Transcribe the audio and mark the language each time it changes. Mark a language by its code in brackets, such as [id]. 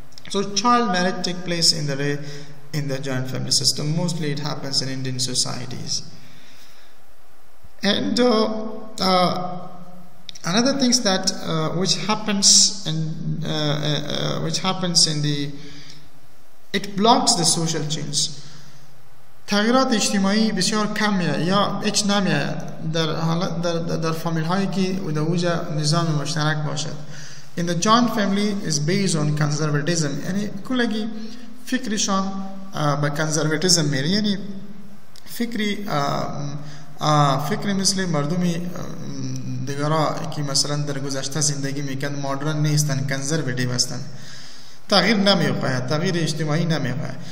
[en] So child marriage take place in the joint family system. Mostly it happens in Indian societies. And another things that it blocks the social change. [fa] تغییرات اجتماعی بسیار کمیه یا هیچ نمیه در حالت در فامیل هایی که در وجه نظام مشترک باشد. [en] In the joint family is based on conservatism. [fa] یعنی کلگی فکرشان به conservatism میره. یعنی فکری مثل مردمی دیگرا که مثلا در گذشته زندگی میکند مدرن نیستن، conservative هستن. تغییر نمی خواهد، تغییر اجتماعی نمی خواهد.